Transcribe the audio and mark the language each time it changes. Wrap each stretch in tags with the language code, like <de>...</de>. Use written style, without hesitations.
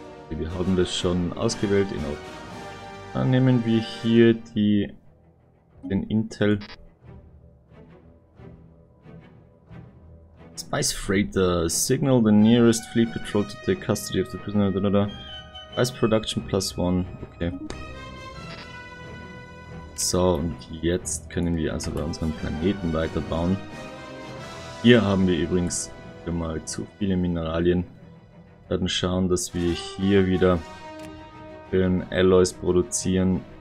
<de>Wir haben das schon ausgewählt. Dann nehmen wir hier den Intel Spice Freighter.</de> <en>Signal the nearest fleet patrol to take custody of the prisoner. Spice Production plus one. Okay.</en> <de>So, und jetzt können wir also bei unserem Planeten weiterbauen. Hier haben wir übrigens wieder mal zu viele Mineralien. Wir werden schauen, dass wir hier wieder den Alloys produzieren.</de>